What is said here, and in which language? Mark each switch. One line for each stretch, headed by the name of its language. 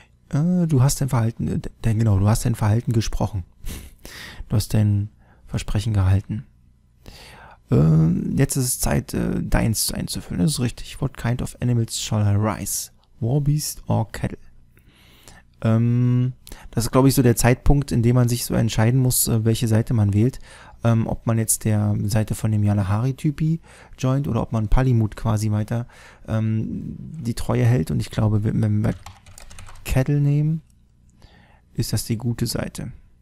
German: Du hast dein Verhalten, denn genau, du hast dein Verhalten gesprochen. Du hast dein Versprechen gehalten. Jetzt ist es Zeit, deins einzuführen. Das ist richtig.
English: What kind of animals shall I rise? War beast or cattle?
German: Das ist, glaube ich, so der Zeitpunkt, in dem man sich so entscheiden muss, welche Seite man wählt. Ob man jetzt der Seite von dem Yalahari-Typi joint oder ob man Palimut quasi weiter die Treue hält. Und ich glaube, wenn wir Cattle nehmen, ist das die gute Seite.